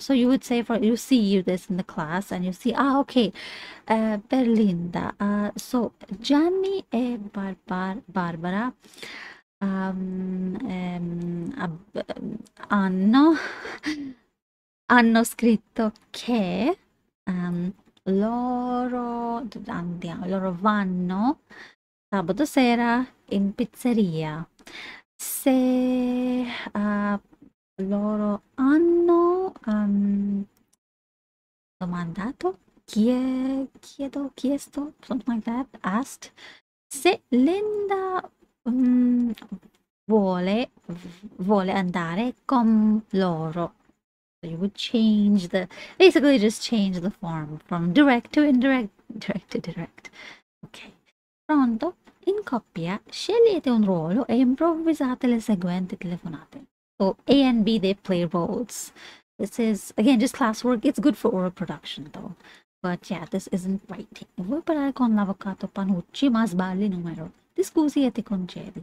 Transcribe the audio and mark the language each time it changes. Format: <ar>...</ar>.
<en>So you would say, for you see this in the class, and you see, ah, okay, per Linda.</en> <it>So Gianni e Barbara hanno scritto che loro vanno sabato sera in pizzeria. Se loro hanno domandato, chiesto,</it> <en>something like that, asked,</en> <it>se Linda vuole andare con loro.</it> <en>So you would change the, basically just change the form from direct to indirect, direct to direct.</en> <it>Okay. Pronto? In coppia, scegliete un ruolo e improvvisate le seguenti telefonate.</it> <en>So A and B, they play roles. This is, again, just classwork. It's good for oral production, though. But yeah, this isn't writing.</en> <it>Vuoi parlare con l'avvocato Panucci, ma sbagli numero. Ti scusi e ti concedi.</it>